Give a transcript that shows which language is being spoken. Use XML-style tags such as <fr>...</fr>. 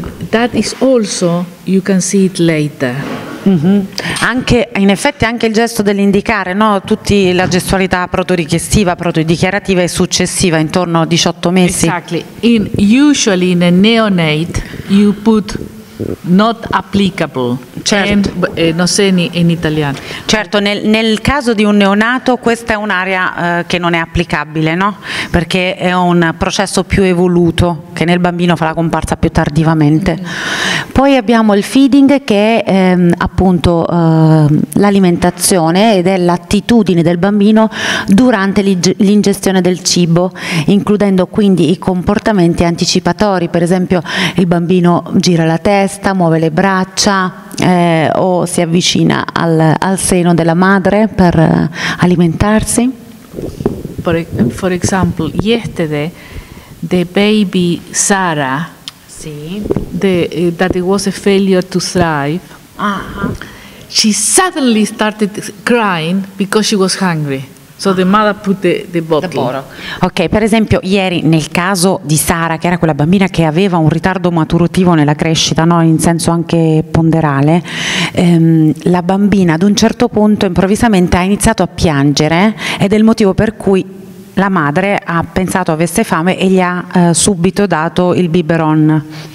<en>That is also, you can see it later. Mm-hmm.</en> <it>Anche, in effetti, anche il gesto dell'indicare, no? Tutti la gestualità proto-richiestiva, proto-dichiarativa e successiva intorno a 18 mesi.</it> <en>Exactly. Usually in a neonate you put not applicable.</en> <it>Certo. Non so in italiano. Certo, nel caso di un neonato questa è un'area che non è applicabile, no? Perché è un processo più evoluto che nel bambino fa la comparsa più tardivamente. Poi abbiamo il feeding, che è appunto l'alimentazione ed è l'attitudine del bambino durante l'ingestione del cibo, includendo quindi i comportamenti anticipatori, per esempio il bambino gira la testa, muove le braccia o si avvicina al seno della madre per alimentarsi.</it> <en>For example, yesterday the baby Sarah, that it was a failure to thrive, she suddenly started crying because she was hungry. So the mother put the bottle.</en> <it>Ok, per esempio ieri nel caso di Sara, che era quella bambina che aveva un ritardo maturativo nella crescita, no, in senso anche ponderale, la bambina ad un certo punto improvvisamente ha iniziato a piangere ed è il motivo per cui la madre ha pensato avesse fame e gli ha subito dato il biberon.</it>